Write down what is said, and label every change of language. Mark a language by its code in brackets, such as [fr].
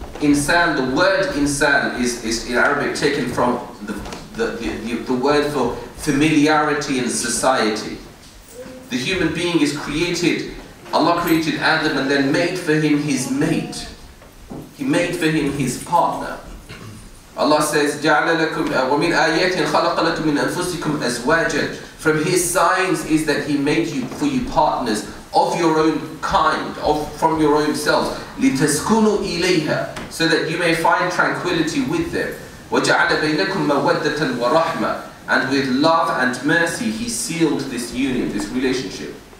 [en] Insan, the word insan is in Arabic taken from the word for familiarity in society. The human being is created, Allah created Adam and then made for him his mate. He made for him his partner. Allah says, [ar] جَعْلَ لَكُمْ وَمِنْ آيَاتٍ خَلَقَ لَكُمْ مِنْ أَنفُسِكُمْ أَزْوَاجًا. [en] From his signs is that he made you for you partners of your own kind, from your own selves. [ar] لِتَسْكُنُوا إِلَيْهَا. [en] So that you may find tranquility with them. [ar] وَجَعَلَ بَيْنَكُمْ مَوَدَّةً وَرَحْمَةً. [en] And with love and mercy he sealed this union, this relationship.